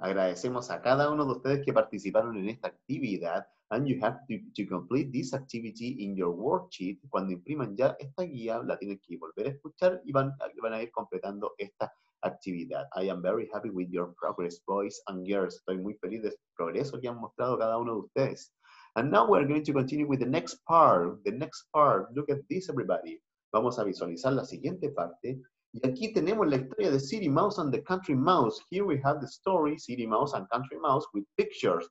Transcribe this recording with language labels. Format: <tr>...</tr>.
<es>Agradecemos a cada uno de ustedes que participaron en esta actividad.</es> <en>And you have to complete this activity in your worksheet.</en> <es>Cuando impriman ya esta guía, la tienen que volver a escuchar y van a ir completando esta actividad.</es> <en>I am very happy with your progress, boys and girls.</en> <es>Estoy muy feliz del progreso que han mostrado cada uno de ustedes.</es> <en>And now we're going to continue with the next part. The next part. Look at this, everybody.</en> <es>Vamos a visualizar la siguiente parte. Y aquí tenemos la historia de City Mouse and the Country Mouse.</es> <en>Here we have the story, City Mouse and Country Mouse, with pictures.</en>